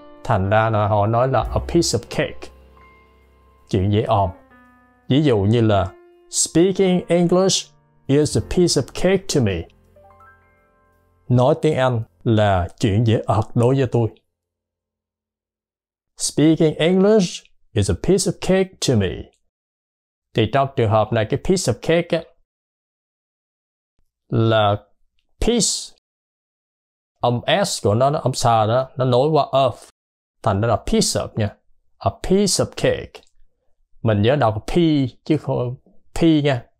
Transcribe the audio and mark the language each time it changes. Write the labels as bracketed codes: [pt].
[vi] Thành ra là họ nói là [en] a piece of cake, [vi] chuyện dễ òm. Ví dụ như là [en] speaking English is a piece of cake to me. [vi] Nói tiếng Anh là chuyện dễ ợt đối với tôi. [en] Speaking English is a piece of cake to me. [vi] Thì trong trường hợp này cái [en] piece of cake [vi] ấy, là piece. Âm S của nó âm xa đó, nó nối qua of. Thành ra là piece of nha. [en] A piece of cake. [vi] Mình nhớ đọc P chứ không P nha.